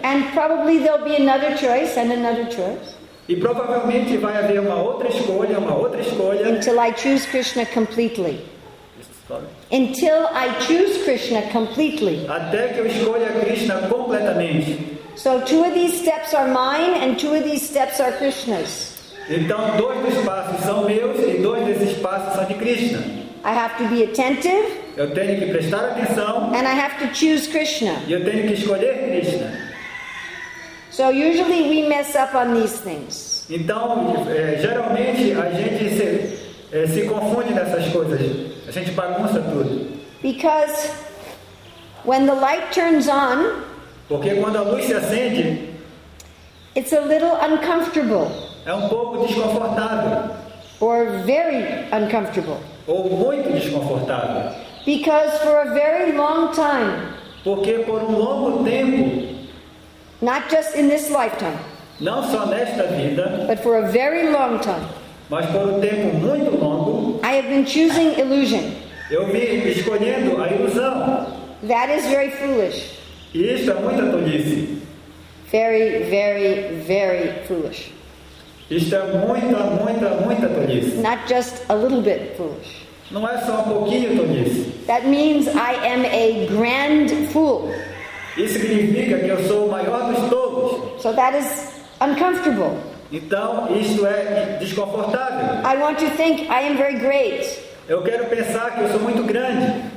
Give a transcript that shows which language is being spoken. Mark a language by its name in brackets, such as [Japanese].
[English] And probably there'll be another choice and another choice. [Portuguese] E provavelmente vai haver uma outra escolha, uma outra escolha. [English] Until I choose Krishna completely. Until I choose Krishna completely. [Portuguese] Até que eu escolha Krishna completamente. [English] So two of these steps are mine and two of these steps are Krishna's. [Portuguese] Então dois dos passos são meus e dois desses passos são de Krishna. [English] I have to be attentive. [Portuguese] Eu tenho que prestar atenção. [English] And I have to choose Krishna. [Portuguese] E eu tenho que escolher Krishna. [English] So usually we mess up on these things. [Portuguese] Então, geralmente a gente se confunde nessas coisas. A gente bagunça tudo. [English] Because when the light turns on, [Portuguese] porque quando a luz se acende, [English] it's a little uncomfortable. [Portuguese] É um pouco desconfortável. [English] Or very uncomfortable. [Portuguese] Ou muito desconfortável. [English] Because for a very long time, [Portuguese] porque por um longo tempo, [English] not just in this lifetime, [Portuguese] não só nesta vida, [English] but for a very long time, [Portuguese] mas por um tempo muito longo, [English] I have been choosing illusion. [Portuguese] Eu me escolhendo a ilusão. [English] That is very foolish. [Portuguese] Isso é muita tolice. [English] Very, very, very foolish. [Portuguese] Isso é muita, muita, muita tolice. [English] Not just a little bit foolish. [Portuguese] Não é só um pouquinho tolice. [English] That means I am a grand fool. [Portuguese] Isso significa que eu sou o maior dos todos. [English] So that is uncomfortable. [Portuguese] Então, isso é desconfortável. [English] I want to think I am very great. [Portuguese] Eu quero pensar que eu sou muito grande.